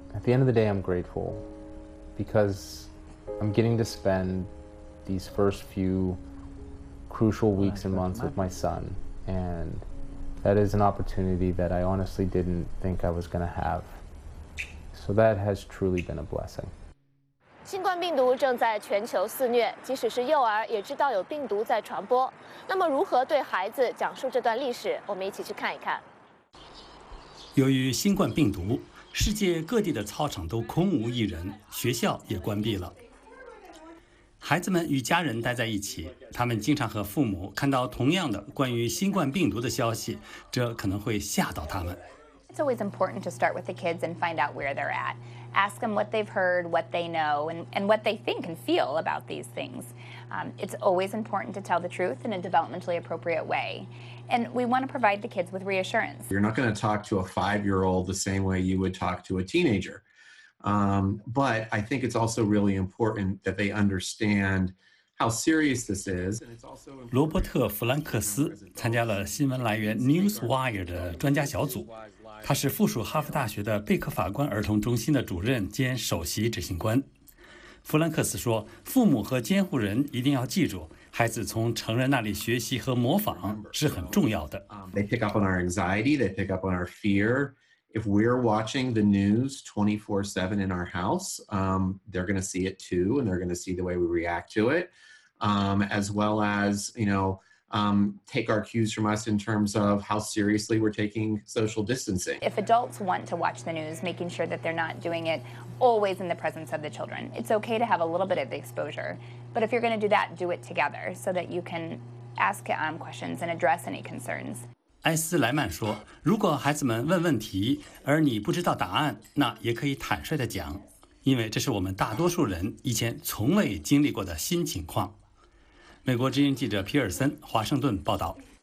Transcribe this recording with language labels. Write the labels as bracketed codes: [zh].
[en] At the end of the day, I'm grateful because I'm getting to spend these first few crucial weeks and months with my son, and that is an opportunity that I honestly didn't think I was going to have. So that has truly been a blessing. [zh] 新冠病毒正在全球肆虐，即使是幼儿也知道有病毒在传播。那么如何对孩子讲述这段历史，我们一起去看一看。由于新冠病毒，世界各地的操场都空无一人，学校也关闭了。孩子们与家人待在一起，他们经常和父母看到同样的关于新冠病毒的消息，这可能会吓到他们。 [en] It's always important to start with the kids and find out where they're at. Ask them what they've heard, what they know, and what they think and feel about these things. It's always important to tell the truth in a developmentally appropriate way. And we want to provide the kids with reassurance. You're not going to talk to a five-year-old the same way you would talk to a teenager. But I think it's also really important that they understand how serious this is. [zh] 罗伯特·弗兰克斯参加了新闻来源 Newswire 的专家小组。他是附属哈佛大学的贝克法官儿童中心的主任兼首席执行官。弗兰克斯说，父母和监护人一定要记住，孩子从成人那里学习和模仿是很重要的。 [en] They pick up on our anxiety, they pick up on our fear. If we're watching the news 24/7 in our house, they're going to see it too, and they're going to see the way we react to it, as well as, you know,take our cues from us in terms of how seriously we're taking social distancing. If adults want to watch the news, making sure that they're not doing it always in the presence of the children, it's okay to have a little bit of exposure. But if you're going to do that, do it together so that you can ask questions and address any concerns. [zh] 埃斯莱曼说，如果孩子们问问题，而你不知道答案，那也可以坦率地讲，因为这是我们大多数人以前从未经历过的新情况。美国之音记者皮尔森，华盛顿报道。